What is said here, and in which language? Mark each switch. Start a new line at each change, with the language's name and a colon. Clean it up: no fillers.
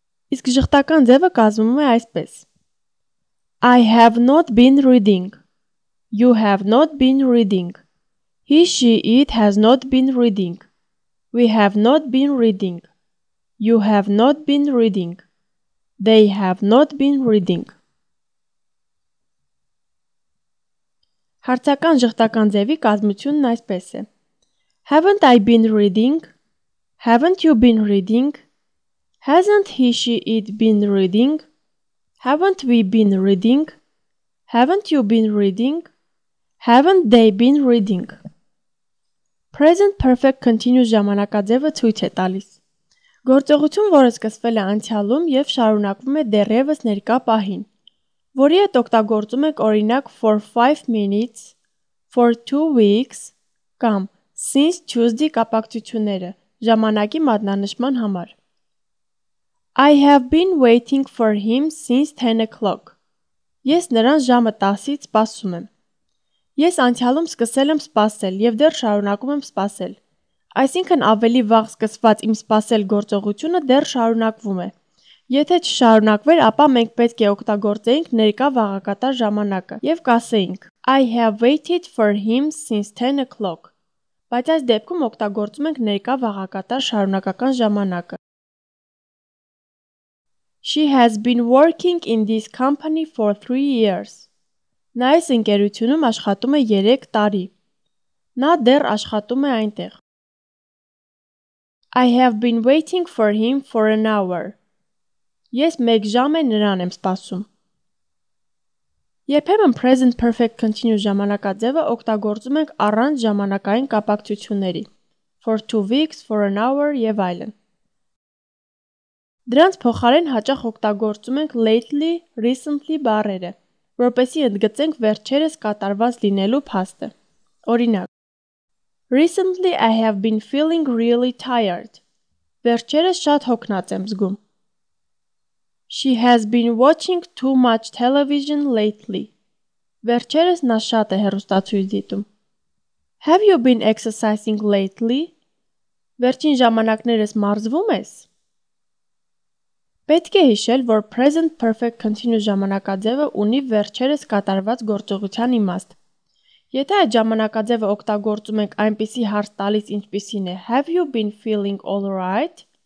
Armenian: Իսկ ժխտական ձևը կազմում է այսպես.
English: I have not been reading. You have not been reading. He, she, it has not been reading. We have not been reading. You have not been reading. They have not been reading.
Armenian: Հարցական ժխտական ձևի կազմությունն այսպես է.
English: Haven't I been reading? Haven't you been reading? Hasn't he, she, it been reading? Haven't we been reading? Haven't you been reading? Haven't they been reading?
Armenian: Present perfect continuous ժամանակաձևը ցույց է տալիս. Գործողություն, որը սկսվել է անցյալում և շարունակվում է դեռևս ներկա պահին, որի հետ օգտագործում եք օրինակ
English: for 5 minutes, for 2 weeks,
Armenian: կամ
English: since Tuesday
Armenian: կապակցությունները ժամանակի մատնանշման համար.
English: I have been waiting for him since 10 o'clock.
Armenian: Ես նրան ժամը 10-ից սպասում եմ. Ես անցյալում սկսել եմ սպասել և դեռ շարունակում եմ սպասել. Այսինքն ավելի վաղ սկսված իմ սպասել գործողությունը դեռ շարունակվում է. Եթե չշարունակվեր, ապա մենք պետք է օգտագործեինք ներկա վաղակատար ժամանակը եւ կասեինք.
English: I have waited for him since 10 o'clock.
Armenian: Բայց այս դեպքում օգտագործում ենք ներկա վաղակատար շարունակական ժամանակը.
English: She has been working in this company for 3 years.
Armenian: Նա այս ընկերությունում աշխատում է 3 տարի. Նա դեռ աշխատում է այնտեղ.
English: I have been waiting for him for an hour.
Armenian: Ես մեկ ժամ է նրան եմ սպասում։ Երբեմն present perfect continuous ժամանակաձևը օգտագործում ենք առանց ժամանակային կապակցությունների.
English: For 2 weeks, for an hour
Armenian: եւ այլն։ Դրանց փոխարեն հաճախ օգտագործում ենք lately, recently բառերը, որպեսզի ընդգծենք վերջերս կատարված լինելու փաստը։ Օրինակ.
English: Recently I have been feeling really tired.
Armenian: Վերջերս շատ հոգնած եմ զգում։
English: She has been watching too much television lately.
Armenian: Վերջերս նա շատ է հեռուստացույց դիտում։
English: Have you been exercising lately?
Armenian: Վերջին ժամանակներս մարզվում ես։ Պետք է հիշել, որ present perfect continuous ժամանակաձևը ունի վերջերս կատարված գործողության իմաստ։ Եթե այդ ժամանակաձևը օգտագործում ենք այնպիսի հարց տալիս, ինչպիսին է
English: Have you been feeling all right?